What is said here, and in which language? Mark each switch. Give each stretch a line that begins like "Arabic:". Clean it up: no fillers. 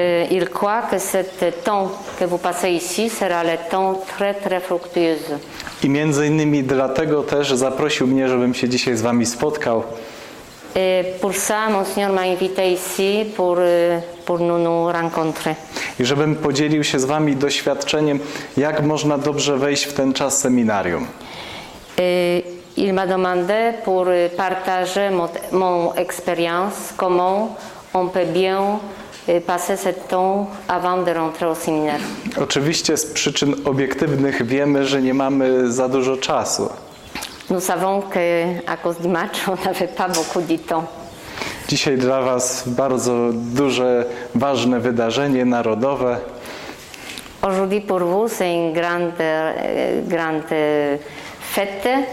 French: Il croit que ce temps que vous passez ici sera le temps très très fructueux.
Polish: I między innymi dlatego też zaprosił mnie, żebym się dzisiaj z wami spotkał.
French: Pour ça, monseigneur m'a invité ici pour nous rencontrer.
Polish: I żebym podzielił się z wami doświadczeniem, jak można dobrze wejść w ten czas seminarium.
French: Il m'a demandé pour partager mon expérience, comment on peut bien passer ce temps avant de rentrer au séminaire.
Polish: Oczywiście z przyczyn obiektywnych wiemy, że nie mamy za dużo czasu.
French: Nous savons que à cause du match, on n'avait pas beaucoup de temps.
Polish: Dzisiaj dla was bardzo duże, ważne wydarzenie narodowe.
French: Aujourd'hui pour vous, c'est une grande, grande fête.